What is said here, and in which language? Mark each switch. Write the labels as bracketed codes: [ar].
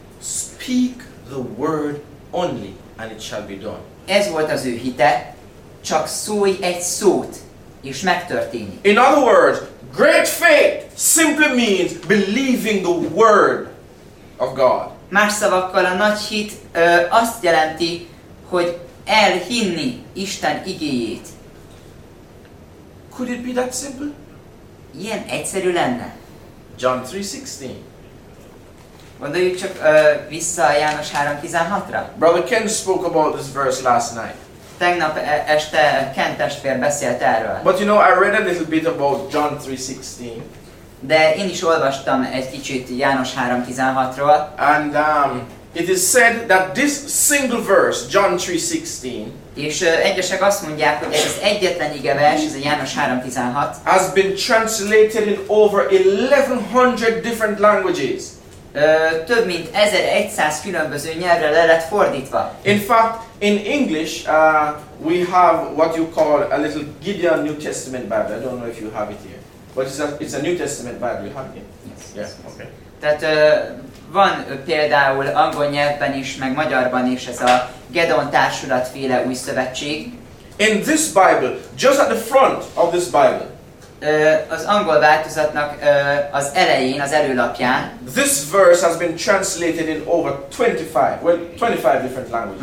[en] Speak the word only and it shall be done. [hu] Ez volt az ő hite, csak szólj egy szót, és megtörténik. [en] In other words, great faith simply means believing the word of God. [hu] Más szavakkal a nagy hit azt jelenti, hogy elhinni Isten igéjét. [en] Could it be that simple? [hu] Ilyen egyszerű lenne. [en] John 3:16. [hu] Gondoljuk csak vissza a János 3:16-ra. [en] Brother Ken spoke about this verse last night. [hu] Tegnap este Ken testvér beszélt erről. [en] But you know, I read a little bit about John 3:16. [hu] De én is olvastam egy kicsit János 3:16-ról. [en] And it is said that this single verse, John 3:16, [hu] és egyesek azt mondják, hogy ez az egyetlen igevers, ez a János 3:16, [en] has been translated in over 1100 different languages. [hu] Több mint 1100 különböző nyelvre le lett fordítva. [en] In fact, in English, we have what you call a little Gideon New Testament Bible. I don't know if you have it here. But it's a New Testament Bible. You have it? Yes. Yeah, okay. [hu] Tehát van például angol nyelvben is, meg magyarban is ez a Gedeon társulat féle új szövetség. [en] In this Bible, just at the front of this Bible. [hu] Az angol változatnak az elején, az előlapján. [en] This verse has been translated in over 25 different languages.